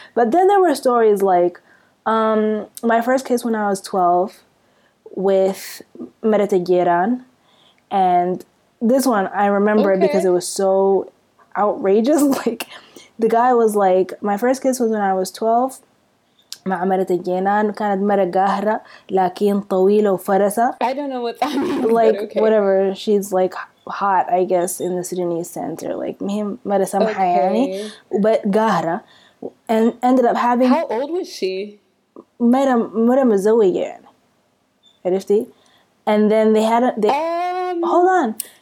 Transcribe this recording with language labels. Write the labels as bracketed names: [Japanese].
[English] But then there were stories like, my first kiss when I was 12 with Merete Gieran. And this one, I remember because it was so outrageous. Like, the guy was like, my first kiss was when I was 12. [Arabic] مع مرت الجنان كانت مرة قاهرة لكن طويلة وفرسة. [English] I don't know what that means. Like, whatever, she's like hot, I guess, in the Sudanese sense, or like [Arabic] مهم مرة سمحة يعني, [English] but قاهرة, and ended up having. How old was she? [Arabic] مرة مزوجة يعني, عرفتي? [English] And then they had hold on.